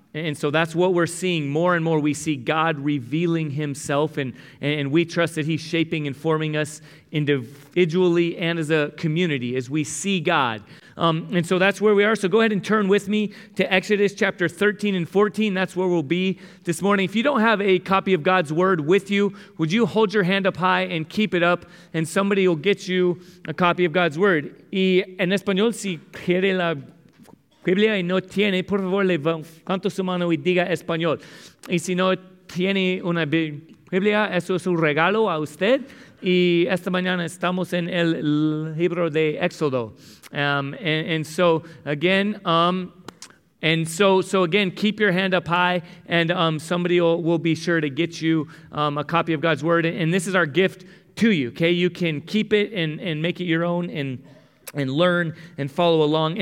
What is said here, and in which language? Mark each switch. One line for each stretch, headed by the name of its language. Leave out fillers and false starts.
English: And so that's what we're seeing more and more. We see God revealing himself, and we trust that he's shaping and forming us individually and as a community as we see God. And so that's where we are. So go ahead and turn with me to Exodus chapter 13 and 14. That's where we'll be this morning. If you don't have a copy of God's word with you, would you hold your hand up high and keep it up, and somebody will get you a copy of God's word.
Spanish: Y en español, si quiere la Biblia y no tiene, por favor, levante su mano y diga español. Y si no tiene una Biblia, eso es un regalo a usted. Y esta mañana estamos en el libro de Éxodo.
English: And so again, keep your hand up high, and somebody will be sure to get you a copy of God's word. And this is our gift to you, okay? You can keep it and make it your own and learn and follow along.